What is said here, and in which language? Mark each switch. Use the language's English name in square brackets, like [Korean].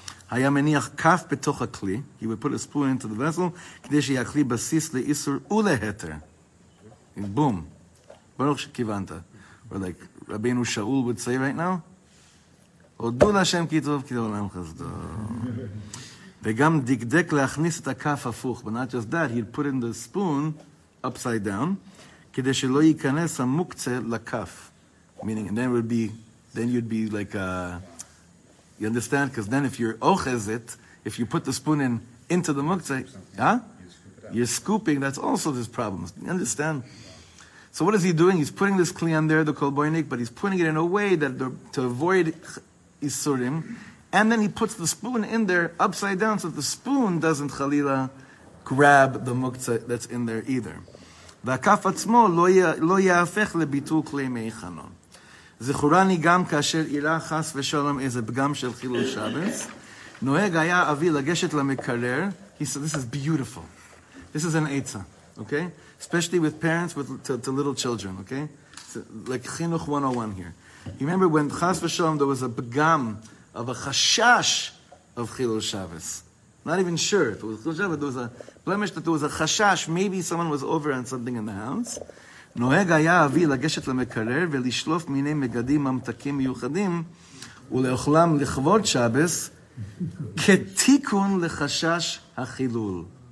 [Hebrew] היה מניח כף בתוך הכלי, [English] he would put a spoon into the vessel, [Hebrew] כדי שיהיה הכלי בסיס לאיסור ולהתר. בום. ברוך שכיוונת. [English] We're like, רבינו שאול would say right now, [Hebrew] הודו להשם כי טוב, כי עולם חסדו. וגם דקדק להכניס את הכף הפוך. [English] But not just that, he'd put in the spoon upside down, [Hebrew] כדי שלא ייכנס המוקצה לכף. [English] Meaning, and then it would be then you'd be like, you understand? Because then if you're ochezit, if you put the spoon in into the muktzeh, yeah? You're scooping. That's also this problem. You understand? So what is he doing? He's putting this kli on there, the kolboinik, but he's putting it in a way that to avoid isurim, and then he puts the spoon in there upside down so the spoon doesn't, chalila, grab the muktzeh that's in there either. [Hebrew] V'akaf atzmo lo yafech lebitul kli meichanon. זכורני גם כאשר עירה חס ושלום איזה פגם של חילול שבת. נוהג היה אבי לגשת למקרר. [English] He said, this is beautiful. This is an eitza, okay? Especially with parents to little children, okay? So, like Chinuch 101 here. You remember when חס ושלום there was a פגם of a חשש of חילול שבת. Not even sure if it was חילול שבת, but there was a blemish that there was a חשש. Maybe someone was over on something in the house. [Hebrew] נוהג היה אבי לגשת למקרר ולשלוף מיני מגדים ממתקים מיוחדים ולאוכלם לכבוד שבס כתיקון לחשש החילול.